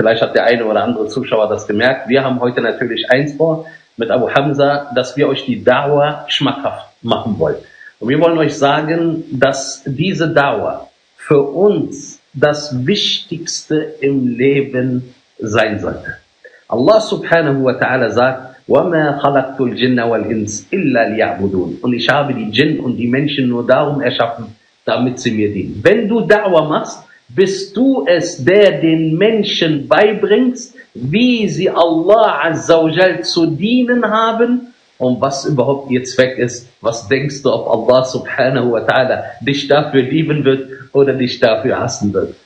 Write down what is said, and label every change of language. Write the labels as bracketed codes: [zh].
[de] Vielleicht hat der eine oder andere Zuschauer das gemerkt. Wir haben heute natürlich eins vor mit Abu Hamza, dass wir euch die Dawah schmackhaft machen wollen. Und wir wollen euch sagen, dass diese Dawah für uns das Wichtigste im Leben sein sollte. Allah subhanahu wa ta'ala sagt, [ar] وَمَا خَلَقْتُ الْجِنَّ وَالْإِنْسِ إِلَّا لِيَعْبُدُونَ. [de] Und ich habe die Jinn und die Menschen nur darum erschaffen, damit sie mir dienen. Wenn du Dawah machst, bist du es, der den Menschen beibringst, wie sie Allah Azza wa Jal zu dienen haben und was überhaupt ihr Zweck ist. Was denkst du, ob Allah subhanahu wa ta'ala dich dafür lieben wird oder dich dafür hassen wird?